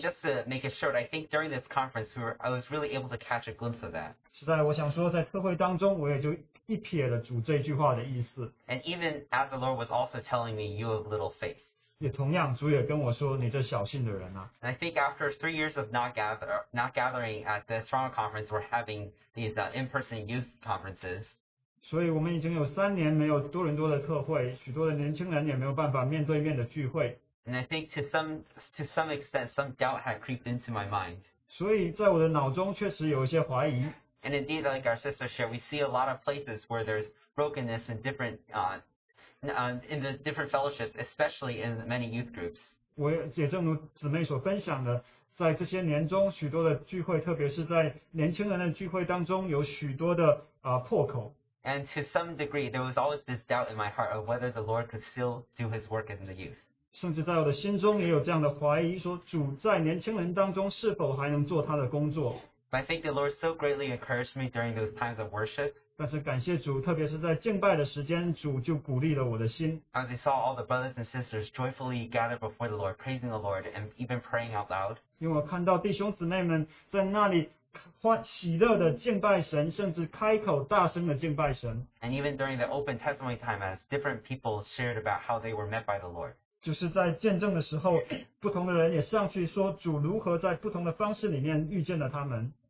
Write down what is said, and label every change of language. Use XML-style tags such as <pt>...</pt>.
<en>just to make it short, I think during this conference, I was really able to catch a glimpse of that.</en> <zh>实在，我想说，在特会当中，我也就一瞥了主这句话的意思。</zh> <en>And even as the Lord was also telling me, you have little faith.</en> <zh>也同样，主也跟我说，你这小信的人啊。</zh> <en>And I think after 3 years of not gathering at the Toronto conference, we're having these in-person youth conferences.</en> <zh>所以我们已经有三年没有多伦多的特会，许多的年轻人也没有办法面对面的聚会。</zh> <en>And I think to some extent, some doubt had crept into my mind.</en> <zh>所以在我的脑中确实有一些怀疑。</zh> <en>And indeed, like our sister shared, we see a lot of places where there's brokenness in different fellowships, especially in many youth groups.</en> <zh>我也正如姊妹所分享的。在这些年中，许多的聚会，特别是在年轻人的聚会当中，有许多的破口。</zh> <en>And to some degree, there was always this doubt in my heart of whether the Lord could still do His work in the youth.</en> <zh>甚至在我的心中也有这样的怀疑，说主在年轻人当中是否还能做他的工作。</zh> <en>But I think the Lord so greatly encouraged me during those times of worship.</en> <zh>但是感谢主，特别是在敬拜的时间，主就鼓励了我的心。</zh> <en>As I saw all the brothers and sisters joyfully gathered before the Lord, praising the Lord and even praying out loud.</en> <zh>因为我看到弟兄姊妹们在那里喜乐的敬拜神，甚至开口大声的敬拜神。</zh> <en>And even during the open testimony time, as different people shared about how they were met by the Lord.</en> <zh>就是在见证的时候，不同的人也上去说主如何在不同的方式里面遇见了他们。</zh>